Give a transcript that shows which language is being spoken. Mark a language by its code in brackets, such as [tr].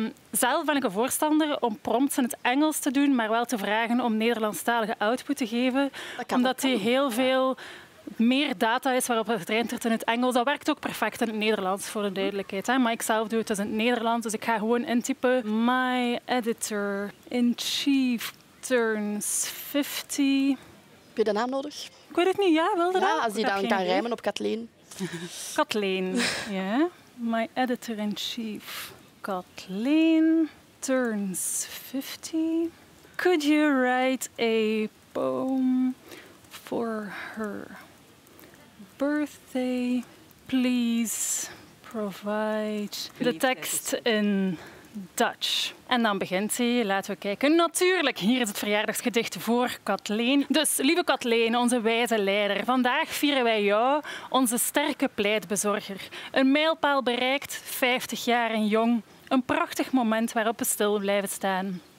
[nl] Zelf ben ik een voorstander om prompts in het Engels te doen, maar wel te vragen om Nederlandstalige output te geven. Omdat die heel veel meer data is waarop het getraind wordt in het Engels. Dat werkt ook perfect in het Nederlands, voor de duidelijkheid. Hè? Maar ik zelf doe het dus in het Nederlands, dus ik ga gewoon intypen. [en] My editor in chief turns 50. [nl] Heb je de naam nodig? Ik weet het niet. Ja, wilde dat? Ja, als die dan kan rijmen op Kathleen. Kathleen, ja. [en] Yeah. My editor in chief Kathleen turns 50. Could you write a poem for her birthday, please provide the text in Dutch. [nl] En dan begint hij. Laten we kijken. Natuurlijk, hier is het verjaardagsgedicht voor Kathleen. Dus, lieve Kathleen, onze wijze leider, vandaag vieren wij jou, onze sterke pleitbezorger. Een mijlpaal bereikt, 50 jaar en jong. Een prachtig moment waarop we stil blijven staan.